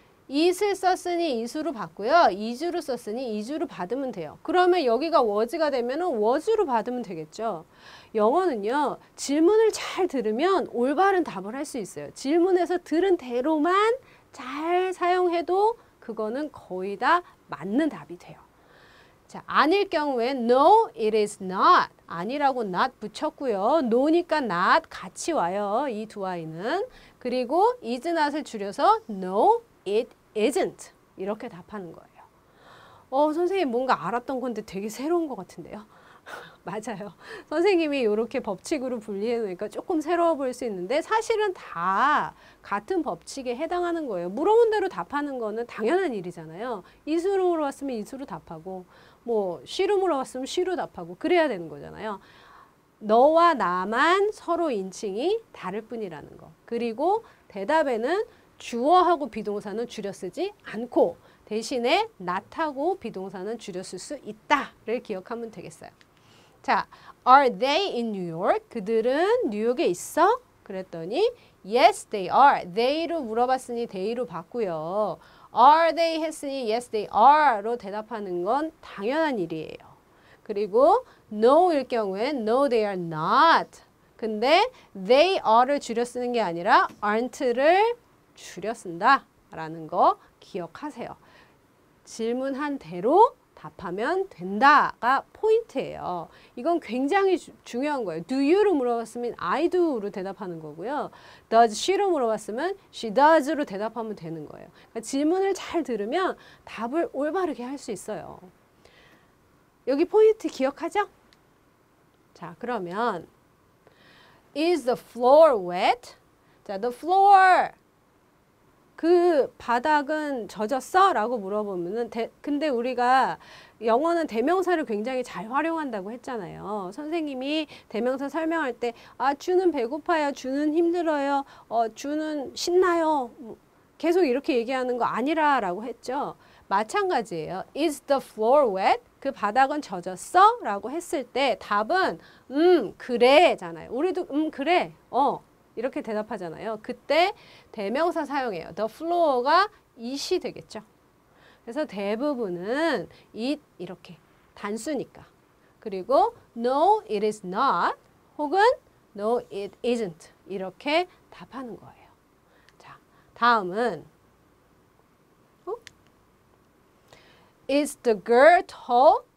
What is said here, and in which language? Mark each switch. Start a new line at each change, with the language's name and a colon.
Korean: is을 썼으니 is로 받고요. is로 썼으니 is로 받으면 돼요. 그러면 여기가 was가 되면 was로 받으면 되겠죠. 영어는요. 질문을 잘 들으면 올바른 답을 할 수 있어요. 질문에서 들은 대로만 잘 사용해도 그거는 거의 다 맞는 답이 돼요. 자, 아닐 경우에
English: no, it is not.
Korean: 아니라고 not 붙였고요. no니까 not 같이 와요. 이 두 아이는. 그리고 is not을 줄여서
English: no, It isn't.
Korean: 이렇게 답하는 거예요. 선생님 뭔가 알았던 건데 되게 새로운 것 같은데요. 맞아요. 선생님이 이렇게 법칙으로 분리해 놓으니까 조금 새로워 보일 수 있는데 사실은 다 같은 법칙에 해당하는 거예요. 물어본 대로 답하는 거는 당연한 일이잖아요. is로 물어봤으면 is로 답하고 뭐 she로 물어봤으면 she로 답하고 그래야 되는 거잖아요. 너와 나만 서로 인칭이 다를 뿐이라는 거. 그리고 대답에는 주어하고 비동사는 줄여 쓰지 않고 대신에 not하고 비동사는 줄여 쓸 수 있다를 기억하면 되겠어요.
English: 자, are they in New York?
Korean: 그들은 뉴욕에 있어? 그랬더니
English: yes, they are.
Korean: they로 물어봤으니 they로 봤고요. are they 했으니 yes, they are로 대답하는 건 당연한 일이에요. 그리고 no일 경우에
English: no, they are not.
Korean: 근데 they are를 줄여 쓰는 게 아니라 aren't를 줄여 쓴다 라는 거 기억하세요. 질문한 대로 답하면 된다가 포인트예요. 이건 굉장히 중요한 거예요. Do you로 물어봤으면 I do로 대답하는 거고요. Does she로 물어봤으면 she does로 대답하면 되는 거예요. 그러니까 질문을 잘 들으면 답을 올바르게 할 수 있어요. 여기 포인트 기억하죠? 자, 그러면
English: Is the floor wet?
Korean: 자, the floor 그 바닥은 젖었어? 라고 물어보면은 근데 우리가 영어는 대명사를 굉장히 잘 활용한다고 했잖아요. 선생님이 대명사 설명할 때 아, 주는 배고파요. 주는 힘들어요. 주는 신나요. 계속 이렇게 얘기하는 거 아니라 라고 했죠. 마찬가지예요.
English: Is the floor wet?
Korean: 그 바닥은 젖었어? 라고 했을 때 답은 그래 잖아요. 우리도 그래. 이렇게 대답하잖아요. 그때 대명사 사용해요. The floor가 it이 되겠죠. 그래서 대부분은 it 이렇게 단수니까. 그리고
English: no it is not
Korean: 혹은
English: no it isn't
Korean: 이렇게 답하는 거예요. 자, 다음은
English: Is the girl tall?